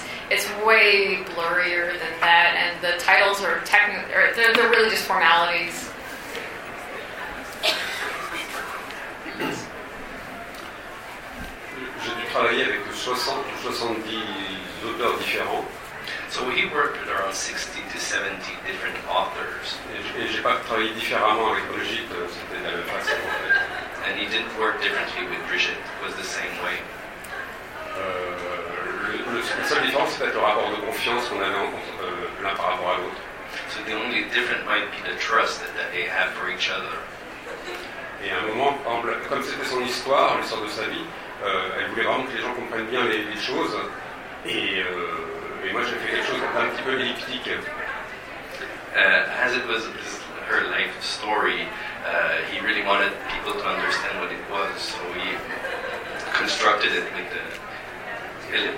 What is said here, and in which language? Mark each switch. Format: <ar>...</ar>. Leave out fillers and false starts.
<en>it's way blurrier than that, and the titles are they're really just formalities.</en> <fr>J'ai travaillé avec 60 ou 70 auteurs différents.</fr> <en>So he worked with around 60 to 70 different authors.</en> <fr>Et j'ai pas travaillé différemment avec Brigitte, c'était la même façon. En fait.</fr> <en>And he didn't work differently with Brigitte, it was the same way.</en> <fr>La seule différence, c'est peut-être le rapport de confiance qu'on avait l'un par rapport à l'autre.</fr> <en>So the only difference might be the trust that they have for each other.</en> <fr>Et à un moment, comme c'était son histoire, l'histoire de sa vie, elle voulait vraiment que les gens comprennent bien les choses. Et moi, j'ai fait quelque chose d'un petit peu elliptique.</fr> <en>As it was her life story, he really wanted people to understand what it was, so he constructed it with the</en>